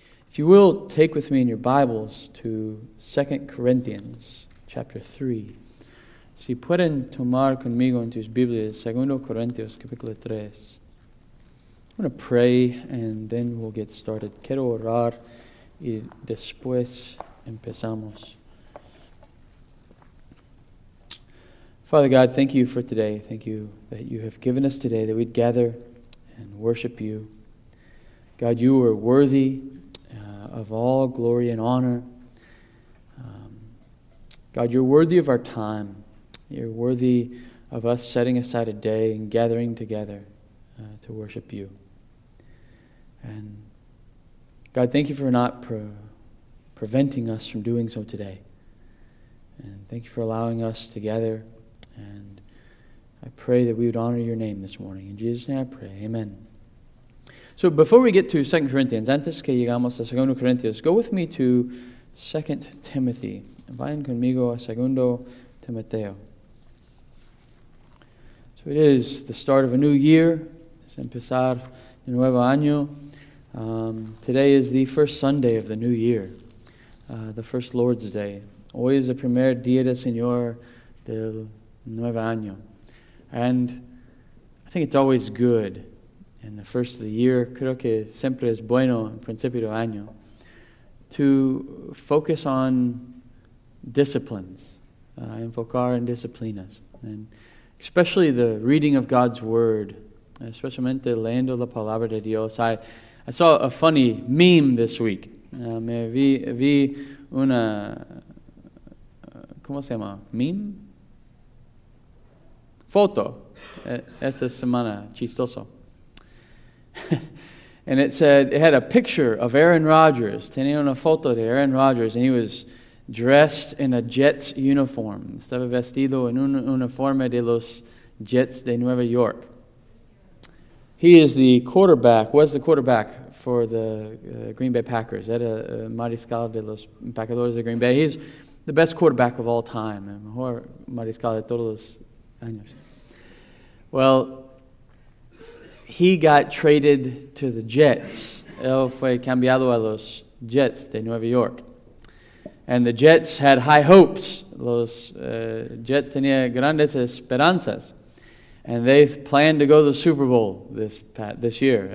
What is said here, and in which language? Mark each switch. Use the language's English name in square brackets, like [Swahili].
[English] If you will, take with me in your Bibles to 2 Corinthians chapter 3. [Spanish] Si pueden tomar conmigo en tus Biblias, 2 Corinthians capítulo 3. [English] I'm going to pray and then we'll get started. [Spanish] Quiero orar y después empezamos. [English] Father God, thank you for today. Thank you that you have given us today that we'd gather and worship you. God, you are worthy of all glory and honor. God, you're worthy of our time. You're worthy of us setting aside a day and gathering together to worship you. And God, thank you for not preventing us from doing so today. And thank you for allowing us to gather. And I pray that we would honor your name this morning. In Jesus' name I pray, amen. So before we get to 2 Corinthians, [Spanish] antes que llegamos a 2 Corinthians, [English] go with me to 2 Timothy. [Spanish] Vayan conmigo a 2 Timoteo. [English] So it is the start of a new year. [Spanish] Es empezar el nuevo año. [English] Today is the first Sunday of the new year, the first Lord's Day. [Spanish] Hoy es el primer día del Señor del nuevo año. [English] And I think it's always good. In the first of the year, [Spanish] creo que siempre es bueno, en principio de año, [English] to focus on disciplines, [Spanish] enfocar en disciplinas, [English] and especially the reading of God's Word, [Spanish] especialmente leyendo la palabra de Dios. [English] I saw a funny meme this week. [Spanish] Me vi una, ¿cómo se llama? ¿Meme? Foto, esta semana, chistoso. [English] And it said, it had a picture of Aaron Rodgers. [Spanish] Tenía una foto de Aaron Rodgers, [English] and he was dressed in a Jets uniform. [Spanish] Estaba vestido en un uniforme de los Jets de Nueva York. [English] He is the quarterback, was the quarterback for the Green Bay Packers. [Spanish] Era mariscal de los empacadores de Green Bay. [English] He's the best quarterback of all time. [Spanish] El mejor mariscal de todos los años. [English] Well, he got traded to the Jets. [Spanish] Él fue cambiado a los Jets de Nueva York. [English] And the Jets had high hopes. [Spanish] Los Jets tenían grandes esperanzas. [English] And they planned to go to the Super Bowl this year.